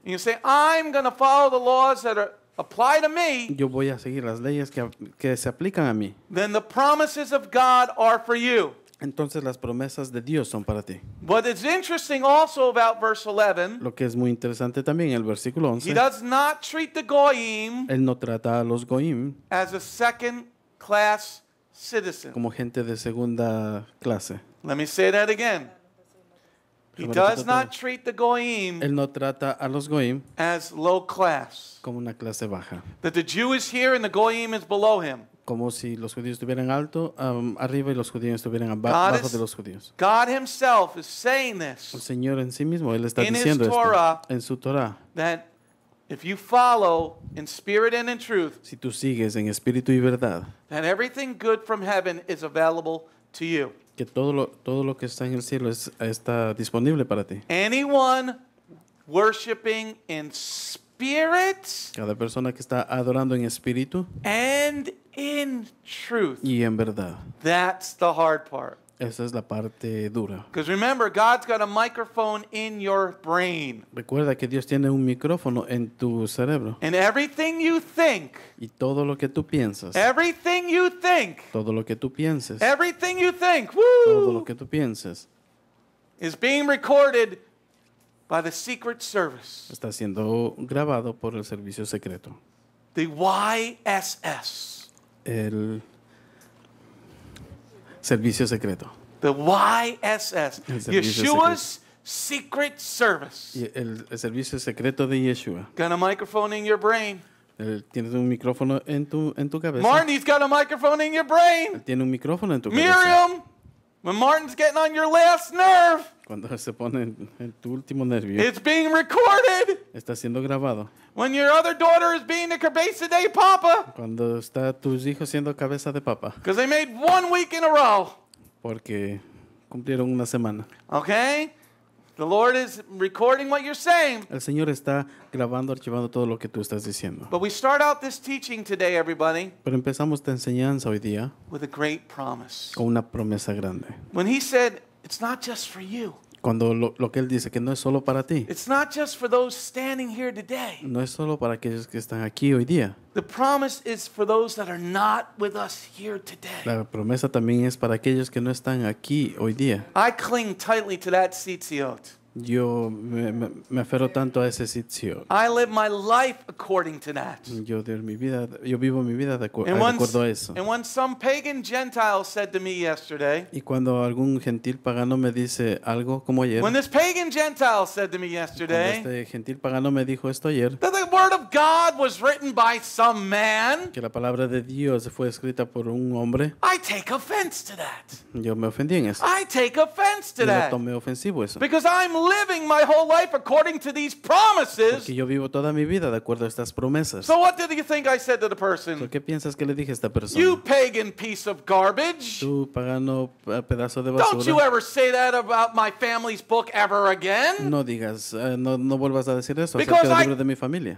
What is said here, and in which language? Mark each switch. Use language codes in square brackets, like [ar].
[en] and you say, I'm going to follow the laws that are apply to me, [es] yo voy a seguir las leyes que se aplican a mí. [en] Then the promises of God are for you. [es] Entonces las promesas de Dios son para ti. [en] What is interesting also about verse 11, [es] lo que es muy interesante también el versículo 11, [en] he does not treat the goyim, [es] él no trata a los goyim, [en] as a second class citizen, [es] como gente de segunda clase. [en] Let me say that again. He does not treat the goyim, [es] él no trata a los goyim, [en] as low class, [es] como una clase baja, [en] that the Jew is here and the goyim is below him. [es] Como si los judíos estuvieran alto arriba y los judíos estuvieran abajo de los judíos. [en] God himself is saying this. [es] El Señor en sí mismo él está diciendo esto en su Torah. [en] That if you follow in spirit and in truth, [es] si tú sigues en espíritu y verdad, [en] that everything good from heaven is available to you. [es] Que todo lo que está en el cielo está disponible para ti. [en] Anyone worshiping in spirit, [es] cada persona que está adorando en espíritu, [en] and in truth, [es] y en verdad, [en] that's the hard part. [es] Esa es la parte dura. [en] Because remember, God's got a microphone in your brain. [es] Recuerda que Dios tiene un micrófono en tu cerebro. [en] And everything you think. [es] Y todo lo que tú piensas. [en] Everything you think. [es] Todo lo que tú pienses. [en] Everything you think. Woo! [es] Todo lo que tú pienses. [en] Is being recorded by the secret service. [es] Está siendo grabado por el servicio secreto. [en] The YSS. [es] El servicio secreto. [en] The YSS. Yeshua's secret service. [es] El servicio secreto de Yeshua. [en] Got a microphone in your brain. [es] Tienes un micrófono en tu cabeza. [en] Martin's got a microphone in your brain. [es] Tiene un micrófono en tu cabeza. [en] Miriam, when Martin's getting on your last nerve. [es] Cuando se pone en tu último nervio. [en] It's being recorded. [es] Está siendo grabado. [en] When your other daughter is being a [es] cabeza de papa. Cuando está tus hijos siendo cabeza de papa. [en] Because they made 1 week in a row. [es] Porque cumplieron una semana. [en] Okay. The Lord is recording what you're saying. [es] El Señor está grabando, archivando todo lo que tú estás diciendo. [en] But we start out this teaching today, everybody. [es] Pero empezamos esta enseñanza hoy día. [en] With a great promise. [es] Con una promesa grande. [en] When he said, it's not just for you. [es] Cuando lo que él dice que no es solo para ti. [en] It's not just for those standing here today. [es] No es solo para aquellos que están aquí hoy día. [en] The promise is for those that are not with us here today. [es] La promesa también es para aquellos que no están aquí hoy día. [en] I cling tightly to that tzitzit. [es] Yo me aferro tanto a ese sitio. [en] I live my life according to that. [es] Yo vivo mi vida de acuerdo a eso. [en] And when some pagan Gentile said to me yesterday. [es] Y cuando algún gentil pagano me dice algo como ayer. [en] When this pagan Gentile said to me yesterday. [es] Cuando este gentil pagano me dijo esto ayer. [en] That the word of God was written by some man. [es] Que la palabra de Dios fue escrita por un hombre. [en] I take offense to that. [es] Yo me ofendí en eso. [en] I take offense to that. [es] Yo tomé ofensivo eso. [en] Because I'm living my whole life according to these promises. [es] Porque yo vivo toda mi vida de acuerdo a estas promesas. [en] So what did you think I said to the person? [es] ¿Qué piensas que le dije a esta persona? [en] You pagan piece of garbage. [es] Tú pagano pedazo de basura. [en] Don't you ever say that about my family's book ever again? [es] No digas, no vuelvas a decir eso acerca del libro de mi familia.